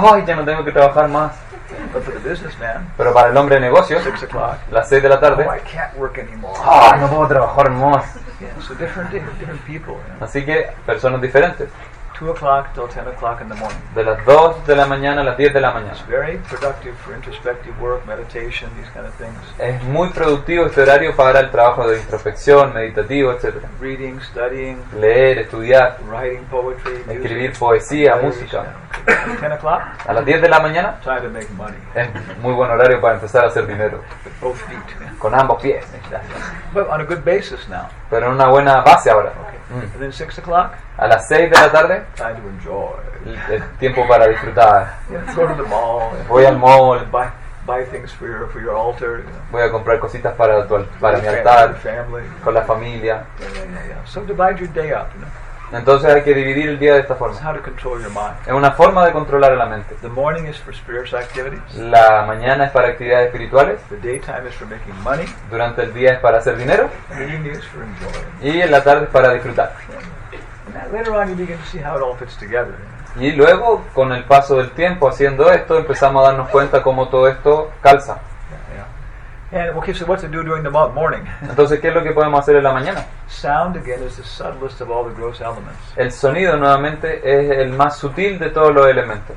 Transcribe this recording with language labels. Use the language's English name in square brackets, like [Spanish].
[Spanish] Oh, ya no tengo que trabajar más. [English] But for the businessman, [Spanish] pero para el hombre de negocios, [English] 6 o'clock, [Spanish] las 6 de la tarde, [English] oh, I can't work anymore. [Spanish] Oh, no puedo trabajar más. [English] Yeah, so different people, you know. [Spanish] Así que personas diferentes. [English] 2 o'clock till 10 o'clock in the morning. [Spanish] De las 2 de la mañana a las 10 de la mañana. [English] It's very productive for introspective work, meditation, these kind of things. [Spanish] Es muy productivo este horario para el trabajo de introspección, meditativo, etcétera. [English] Reading, studying. [Spanish] Leer, estudiar. [English] Writing poetry. [Spanish] Escribir poesía, música. [English] 10 o'clock. [Spanish] A las 10 de la mañana. [English] Time to make money. [Spanish] Es muy buen horario para empezar a hacer dinero. [English] With both feet. [Spanish] Con ambos pies. [English] But on a good basis now. [Spanish] Pero en una buena base ahora. [English] Okay. Mm. And then 6 o'clock. [Spanish] A las 6 de la tarde. [English] Time to enjoy. [Spanish] El tiempo para disfrutar. [English] Yeah, go to the mall. [Spanish] Voy al mall. [English] Buy things for your altar. You know. [Spanish] Voy a comprar cositas para mi altar. [English] Family. [Spanish] Con la familia. [English] Yeah. So divide your day up. You know. [Spanish] Entonces hay que dividir el día de esta forma. [English] It's how to control your mind. [Spanish] Es una forma de controlar la mente. [English] The morning is for spiritual activities. [Spanish] La mañana es para actividades espirituales. [English] The daytime is for making money. [Spanish] Durante el día es para hacer dinero. [English] And the evening is for enjoying. [Spanish] Y en la tarde es para disfrutar. [English] Later on, you begin to see how it all fits together. [Spanish] Y luego, con el paso del tiempo haciendo esto, empezamos a darnos cuenta cómo todo esto calza. [English] And okay, so what to do during the morning? [Spanish] Entonces, ¿qué es lo que podemos hacer en la mañana? [English] Sound again is the subtlest of all the gross elements. [Spanish] El sonido nuevamente es el más sutil de todos los elementos.